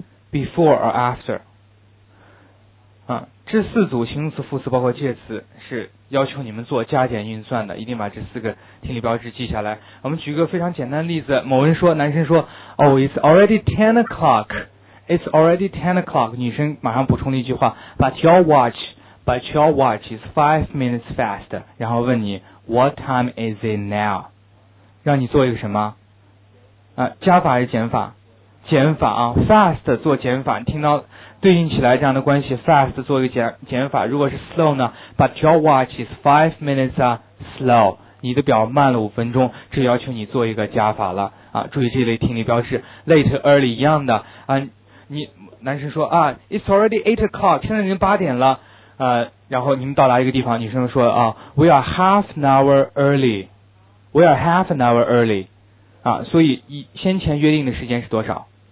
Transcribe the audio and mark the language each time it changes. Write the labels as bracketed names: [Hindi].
[English] Before or after. [Chinese] 啊，这四组形容词、副词包括介词是要求你们做加减运算的，一定把这四个听力标志记下来。我们举一个非常简单的例子，某人说，男生说 ， [English] Oh, it's already 10 o'clock. It's already 10 o'clock. [Chinese] 女生马上补充了一句话 [English] ，But your watch is 5 minutes fast. [Chinese] 然后问你 [English] ，What time is it now? [Chinese] 让你做一个什么？加法还是减法？减法啊 ，fast 做减法。听到对应起来这样的关系 ，fast 做一个减法。如果是 slow 呢 [English] ？But your watch is 5 minutes slow. [Chinese] 你的表慢了5分钟，这要求你做一个加法了啊。注意这类听力标志 ，late early 一样的啊。男生说啊 ， [English] It's already 8 o'clock， [Chinese] 现在已经8点了。然后你们到达一个地方，女生说啊 ， [English] We are half an hour early， [Chinese] We are half an hour early， 啊，所以先前约定的时间是多少？